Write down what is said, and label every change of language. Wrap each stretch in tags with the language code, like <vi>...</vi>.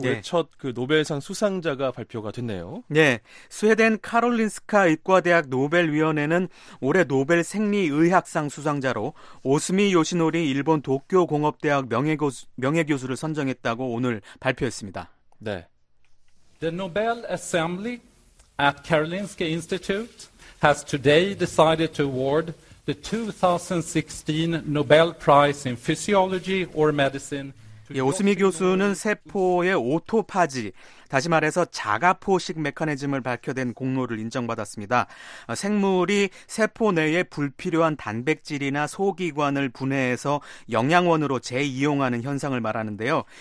<ko>올해 첫 그 노벨상 수상자가 발표가 됐네요. 네. 스웨덴 카롤린스카 의과대학 노벨위원회는 올해 노벨 생리의학상 수상자로 오스미 요시노리 일본 도쿄공업대학 명예교수를 선정했다고 오늘 발표했습니다. 네.</ko> <en>The Nobel Assembly at Karolinska Institute has today decided to award the 2016 Nobel Prize in Physiology or Medicine.</en> <ko>예, 오스미 교수는 세포의 오토파지, 다시 말해서 자가포식 메커니즘을 밝혀낸 공로를 인정받았습니다. 생물이 세포 내에 불필요한 단백질이나 소기관을 분해해서 영양원으로 재이용하는 현상을 말하는데요.</ko>